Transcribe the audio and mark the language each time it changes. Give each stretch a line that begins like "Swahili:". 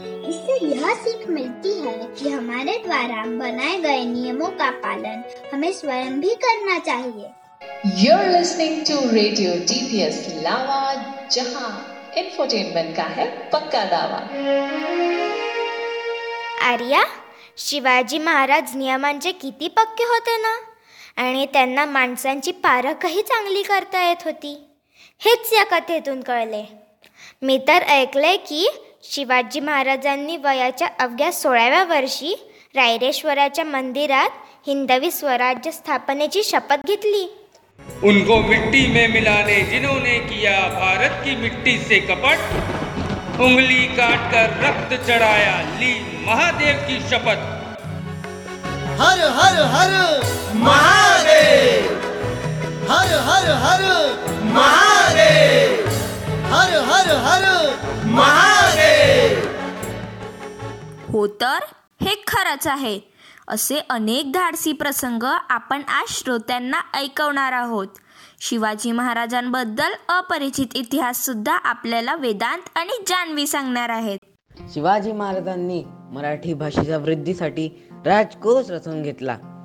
Hindi: इससे यह सीख मिलती है कि हमारे द्वारा बनाए गए नियमों का पालन हमें स्वयं भी करना चाहिए।
English: You're listening to Radio DPS Lava,
Hindi: जहां इंफोटेनमेंट का है पक्का दावा।
Marathi: आर्या, शिवाजी महाराज नियमांचे किती पक्के होते ना, आणि त्यांना माणसांची पारखही चांगली करता येत होती, हेच या कथेतून कळले। मी तर ऐकलंय की शिवाजी महाराजांनी वयाच्या 16व्या वर्षी रायरेश्वराच्या मंदिरात हिंदवी स्वराज्य स्थापनेची शपथ घेतली।
Hindi: उनको मिट्टी में मिलाने जिन्होंने किया भारत की मिट्टी से कपट, उंगली काट कर रक्त चढ़ाया, ली महादेव की शपथ। हर हर हर महादेव, हर हर हर महादेव, हर हर हर महादेव।
Marathi: हो तर हे खरच आहे, असे अनेक धाडसी प्रसंग आपण आज श्रोत्यांना ऐकवणार आहोत। शिवाजी महाराजांबद्दल अपरिचित इतिहास सुद्धा आपल्याला वेदांत आणि जानवी सांगणार आहेत। शिवाजी महाराजांनी मराठी भाषेच्या वृद्धीसाठी राजकोष रचून घेतला।